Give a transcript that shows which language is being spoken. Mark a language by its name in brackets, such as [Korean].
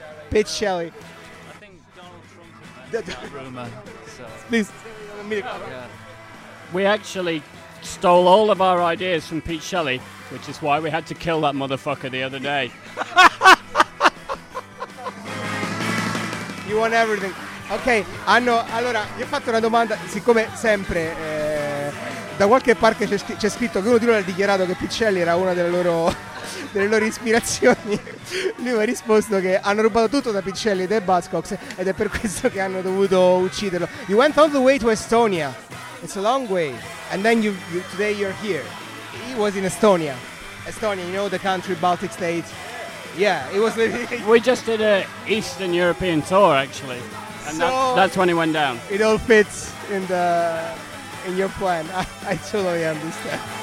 [English] Pichelli. I think Donald Trump invented that rumor. So. Please. Yeah. We actually stole all of our ideas from Pichelli, which is why we had to kill that motherfucker the other day. You want everything. [Italian] Ok, Anno, allora gli ho fatto una domanda, siccome sempre da qualche parte c'è scritto che uno di loro ha dichiarato che Pichelli era una delle loro ispirazioni, lui mi ha risposto che hanno rubato tutto da Pichelli e dai Buzzcocks ed è per questo che hanno dovuto ucciderlo. [English] You went all the way to Estonia, it's a long way, and then you today you're here. He was in Estonia, you know, the country, Baltic States. Yeah, it was. We just did an Eastern European tour, actually, and so that's when it went down. It all fits in your plan. I totally understand.